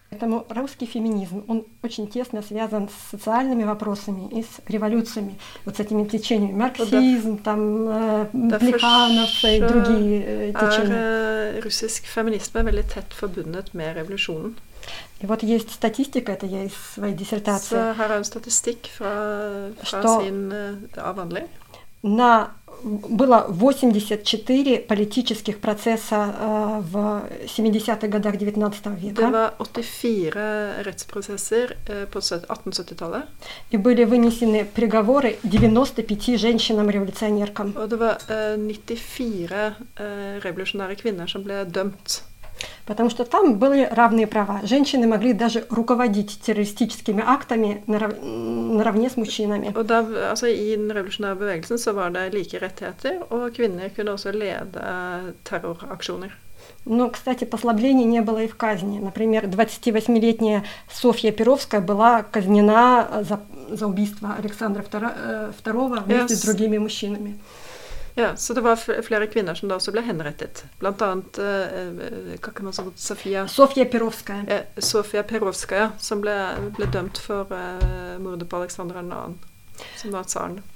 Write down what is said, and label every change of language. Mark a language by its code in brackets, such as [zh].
[ru] Поэтому русский феминизм, он очень тесно связан с социальными вопросами и с революциями, вот с этими течениями, марксизм, там, Плеханов и другие течения. Русский феминизм очень тесно связан с революцией. И вот есть статистика, это я из своей диссертации. [sv] Så här är en statistik från sin avhandling. [ru] На было 84 политических процесса в 70-х годах 19 века. [sv] Det var 84 rättsprocesser på 1870-talet. [ru] И были вынесены приговоры 95 женщинам-революционеркам. [sv] Och det var 94 revolutionära kvinnor som blev dömt [ru] Потому что там были равные права. Женщины могли даже руководить террористическими актами наравне с мужчинами. [no] Og da, altså, i den revolusjonære bevegelsen så var det like rettigheter, og kvinner kunne også lede terroraksjoner. [ru] Но, кстати, послаблений не было и в казни. Например, 28-летняя Софья Перовская была казнена за убийство Александра II вместе с другими мужчинами. [no] Ja, så det var flere kvinner som da også ble henrettet. Blant annet, hva kan man si, Sofia Perovskaya. Sofia Perovskaya, som ble dømt for mordet på Alexandra II, som var tsaren.